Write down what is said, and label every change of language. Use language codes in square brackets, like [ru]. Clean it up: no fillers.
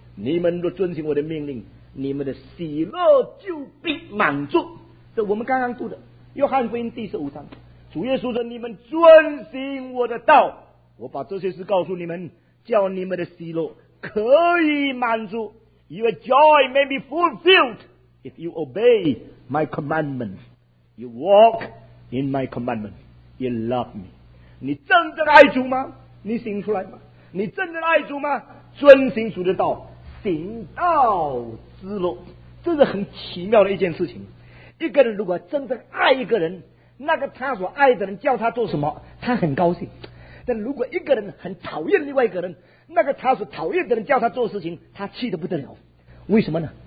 [zh] 你们若遵行我的命令，你们的喜乐就必满足。这我们刚刚读的约翰福音第十五章，主耶稣说，你们遵行我的道，我把这些事告诉你们，叫你们的喜乐可以满足。 [en] Your joy may be fulfilled if you obey my commandments, you walk in my commandments, you love me. [zh] 你真的爱主吗？你行出来吗？你真的爱主吗？遵行主的道，行道之路，这是很奇妙的一件事情。一个人如果真的爱一个人，那个他所爱的人叫他做什么，他很高兴。但如果一个人很讨厌另外一个人，那个他所讨厌的人叫他做事情，他气得不得了。为什么呢？